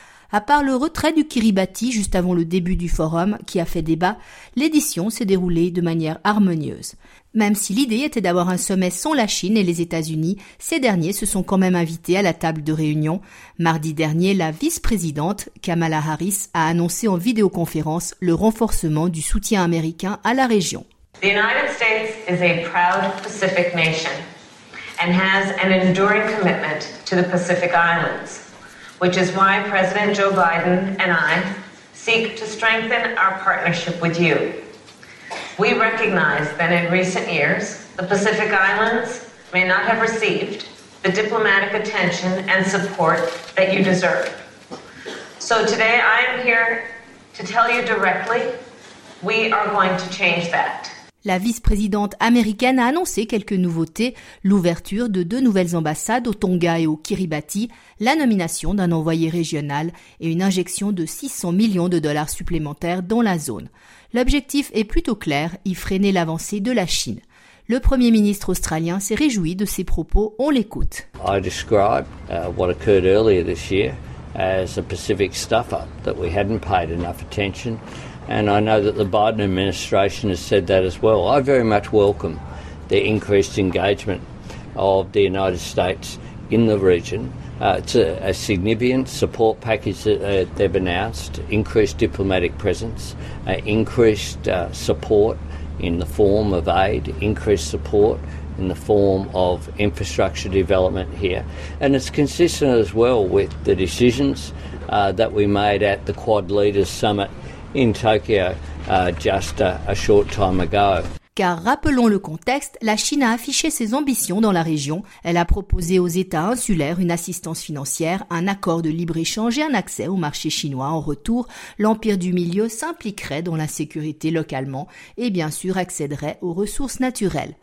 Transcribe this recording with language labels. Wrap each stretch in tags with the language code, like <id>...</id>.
<fr>À part le retrait du Kiribati juste avant le début du forum qui a fait débat, l'édition s'est déroulée de manière harmonieuse. Même si l'idée était d'avoir un sommet sans la Chine et les États-Unis, ces derniers se sont quand même invités à la table de réunion. Mardi dernier, la vice-présidente Kamala Harris a annoncé en vidéoconférence le renforcement du soutien américain à la région.</fr> <en>The United States is a proud Pacific nation and has an enduring commitment to the Pacific Islands. Which is why President Joe Biden and I seek to strengthen our partnership with you. We recognize that in recent years, the Pacific Islands may not have received the diplomatic attention and support that you deserve. So today I am here to tell you directly, we are going to change that.</en> <fr>La vice-présidente américaine a annoncé quelques nouveautés, l'ouverture de 2 nouvelles ambassades au Tonga et au Kiribati, la nomination d'un envoyé régional et une injection de 600 millions de dollars supplémentaires dans la zone. L'objectif est plutôt clair, y freiner l'avancée de la Chine. Le Premier ministre australien s'est réjoui de ces propos. On l'écoute.</fr> <en>I describe what occurred earlier this year as a Pacific stuff-up that we hadn't paid enough attention. And I know that the Biden administration has said that as well. I very much welcome the increased engagement of the United States in the region. It's a significant support package that they've announced, increased diplomatic presence, increased support in the form of aid, increased support in the form of infrastructure development here. And it's consistent as well with the decisions that we made at the Quad Leaders Summit in Tokyo just a short time ago.</en> <fr>Car rappelons le contexte, la Chine a affiché ses ambitions dans la région. Elle a proposé aux États insulaires une assistance financière, un accord de libre-échange et un accès au marché chinois. En retour, l'Empire du Milieu s'impliquerait dans la sécurité localement et bien sûr accéderait aux ressources naturelles.</fr>